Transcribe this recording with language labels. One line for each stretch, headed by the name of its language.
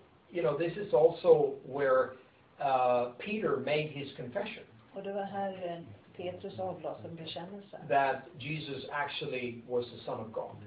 English: You know, this is also where Peter made his confession.
Swedish: Och det var här Petrus avlade sin bekännelse.
English: That Jesus actually was the Son of God.